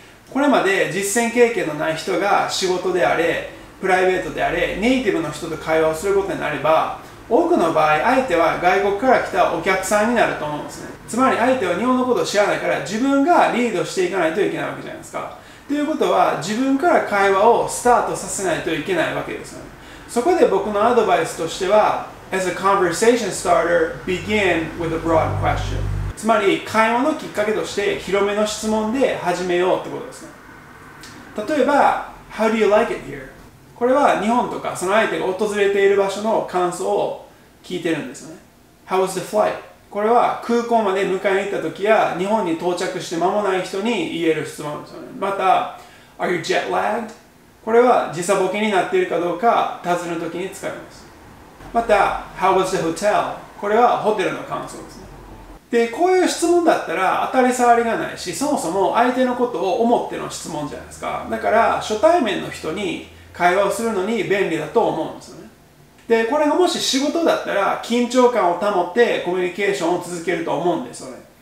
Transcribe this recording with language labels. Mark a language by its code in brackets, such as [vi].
[ja] これまで実践経験のない人が仕事であれプライベートであれネイティブの人と会話をすることになれば、多くの場合相手は外国から来たお客さんになると思うんですね。つまり相手は日本のことを知らないから自分がリードしていかないといけないわけじゃないですか。ということは自分から会話をスタートさせないといけないわけですよね。そこで僕のアドバイスとしては [en] As a conversation starter, begin with a broad question。 [ja] つまり会話のきっかけとして広めの質問で始めようってことですね。例えば [en] How do you like it here? [ja] これは日本とかその相手が訪れている場所の感想を聞いてるんですよね。 [en] How was the flight? [ja] これは空港まで迎えに行った時や日本に到着して間もない人に言える質問ですよね。また [en] Are you jet lagged? [ja] これは時差ボケになっているかどうか尋ねる時に使います。また [en] How was the hotel? [ja] これはホテルの感想ですね。で、こういう質問だったら当たり障りがないし、そもそも相手のことを思っての質問じゃないですか。だから初対面の人に会話をするのに便利だと思うんですよね。で、これがもし仕事だったら緊張感を保ってコミュニケーションを続けると思うんですよね。